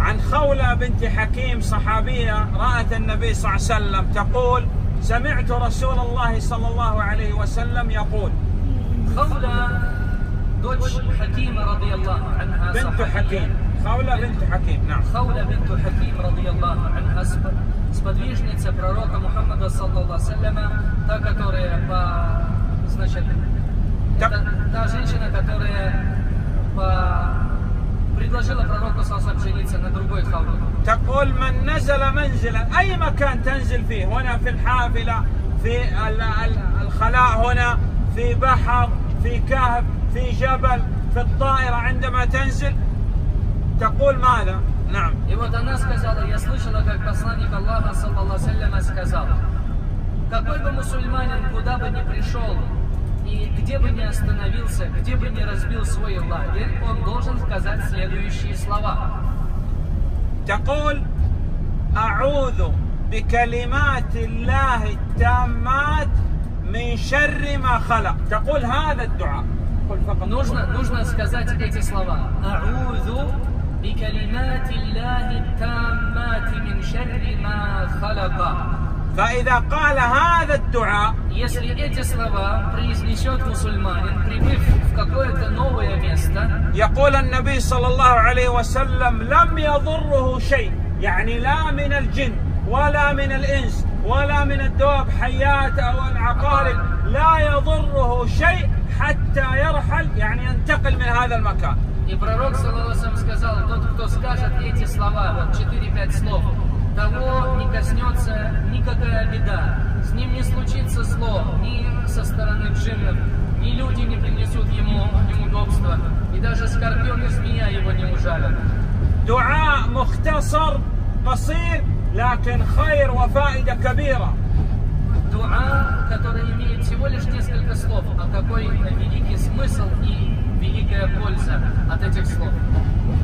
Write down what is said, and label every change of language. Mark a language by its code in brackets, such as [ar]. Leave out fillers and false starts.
[ar] خولة بنت حكيم صحابية رأت النبي صلى الله عليه وسلم تقول سمعت رسول الله صلى الله عليه وسلم يقول. خولة دوش حكيم رضي الله عنها صحابية. بنت حكيم. خولة بنت حكيم. نعم. [ru] خولة بنت حكيم [ar] رضي الله عنها [ru] سподвижница пророка محمد [ar] صلى الله عليه وسلم [ru] تا которая по значит та женщина которая по предложила пророку сасам жениться на другой хауле. [ar] تقول من نزل منزلا أي مكان تنزل فيه هنا في الحافلة في الخلاء هنا في بحر في كهف في جبل في الطائرة عندما تنزل تقول ماذا؟ نعم. [ru] И вот она сказала, я слышала, как посланник Аллаха [ar] صلى الله عليه وسلم [ru] сказал, какой бы мусульманин куда бы ни пришел и где бы ни остановился, где бы ни разбил свой лагерь, он должен сказать следующие слова. [ar] تقول أعوذ بكلمات الله التامات من شر ما خلق. تقول هذا الدعاء. [ru] нужно сказать эти слова. [ar] أعوذ بكلمات الله التامات من شر ما خلق. فإذا قال هذا الدعاء. [ru] если эти слова произнесет мусульманин, прибыв в какое-то новое место. [ar] يقول النبي صلى الله عليه وسلم لم يضره شيء. يعني لا من الجن ولا من الإنس ولا من الدواب حيات أو العقارب لا يضره شيء حتى يرحل يعني ينتقل من هذا المكان. [ru] И пророк саллаллаху сказал, тот, кто скажет эти слова, вот 4-5 слов, того не коснется никакая беда, с ним не случится зло, ни со стороны джиннов, ни люди не принесут ему неудобства, и даже скорпион и змея его не ужалят. [ar] دعاء مختصر قصير لكن خير وفائدة كبيرة. [ru] دعاء который имеет всего лишь несколько слов, а какой великий смысл и великая польза от этих слов.